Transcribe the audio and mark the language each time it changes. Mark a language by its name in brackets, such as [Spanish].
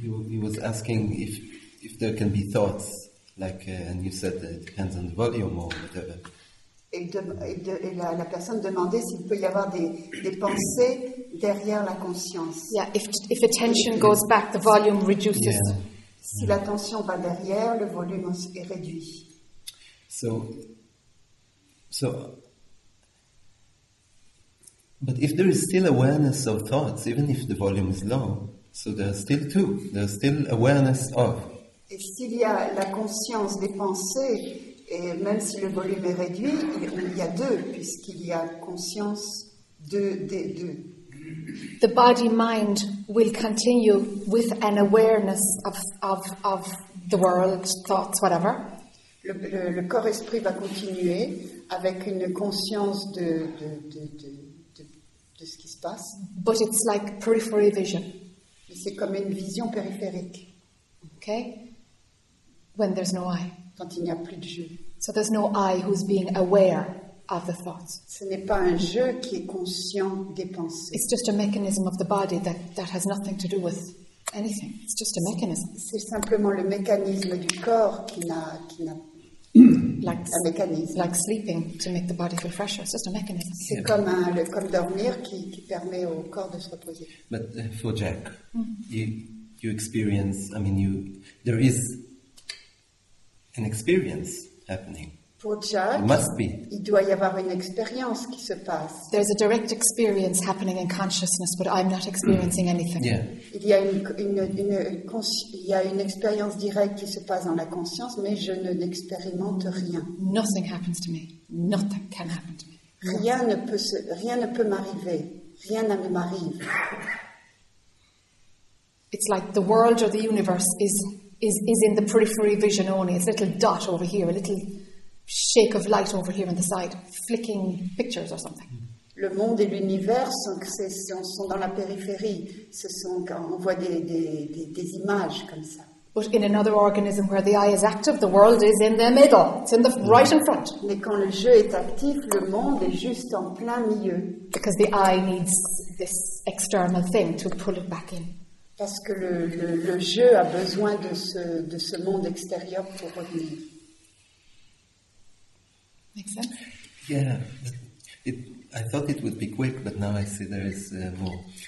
[English] He was asking if there can be thoughts, like, and you said that it depends on the volume or whatever. [French] la personne demandait s'il peut y avoir des pensées derrière la conscience. [English] Yeah, if attention goes back, the volume reduces. Yeah. [French] Si l'attention va derrière, le volume est réduit. [English] So, but if there is still awareness of thoughts, even if the volume is low, so there are still two. There is still awareness of. [French] Et s'il y a la conscience des pensées, et même si le volume est réduit, il y a deux, puisqu'il y a conscience des deux. [English] The body mind will continue with an awareness of the world, thoughts, whatever. [French] Le corps esprit va continuer avec une conscience de ce qui se passe. [English] But it's like periphery vision. [French] Et c'est comme une vision périphérique. [English] Okay. When there's no I. [French] Quand il n'y a plus de jeu. [English] So there's no I who's being aware of the thoughts. [French] Ce n'est pas un jeu qui est conscient des pensées. [English] It's just a mechanism of the body that has nothing to do with anything. It's just a mechanism. [French] C'est simplement le mécanisme du corps qui n'a [English] like sleeping to make the body feel fresher. It's just a mechanism. [French] C'est comme dormir qui permet au corps de se reposer. [English] But for Jack, you experience. I mean, there is an experience happening. [French] Pour Jack, [English] it must be. [French] Il doit y avoir une expérience qui se passe. [English] There's a direct experience happening in consciousness, but I'm not experiencing anything. Yeah. [French] Il y a une expérience directe qui se passe dans la conscience, mais je n'expérimente rien. [English] Nothing happens to me. Nothing can happen to me. [French] Rien ne peut m'arriver. Rien ne m'arrive. [English] It's like the world or the universe is in the periphery vision only. It's a little dot over here, a little shake of light over here on the side, flicking pictures or something. [French] Le monde et l'univers sont dans la périphérie. Ce sont quand on voit des images comme ça. [English] But in another organism where the eye is active, the world is in the middle. It's in the right in front. [French] Mais quand le jeu est actif, le monde est juste en plein milieu. [English] Because the eye needs this external thing to pull it back in. [French] Parce que le jeu a besoin de ce monde extérieur pour revenir. [English] Make sense? Yeah. I thought it would be quick, but now I see there is more.